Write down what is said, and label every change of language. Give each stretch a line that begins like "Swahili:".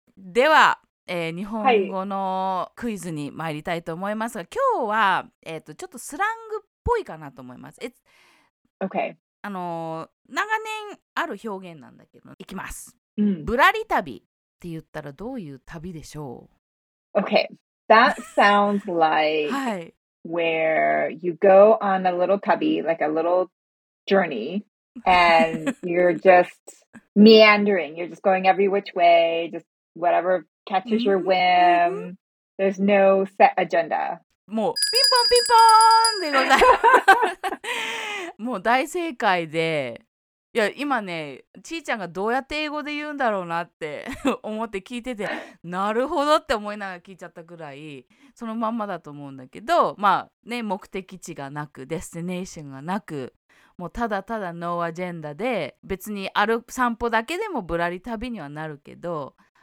Japanese: では、日本語のクイズに参りたいと思いますが、はい、今日は、ちょっとスラングっぽいかなと思います。
English: It's... OK!
Japanese: 長年ある表現なんだけど、いきます。ぶらり旅って言ったらどういう旅でしょう？
English: OK! That sounds like... はい。 Where you go on a little tubby, like a little journey, and you're just meandering. You're just going every which way, just whatever catches your whim. There's no set agenda.
Japanese: もうピンポンピンポーンでございます。もう大正解で、いや今ね、ちいちゃんがどうやって英語で言うんだろうなって思って聞いてて、なるほどって思いながら聞いちゃったぐらい、そのまんまだと思うんだけど、まあね、目的地がなく、デスティネーションがなく、もうただただノーアジェンダで、別に歩散歩だけでもぶらり旅にはなるけど、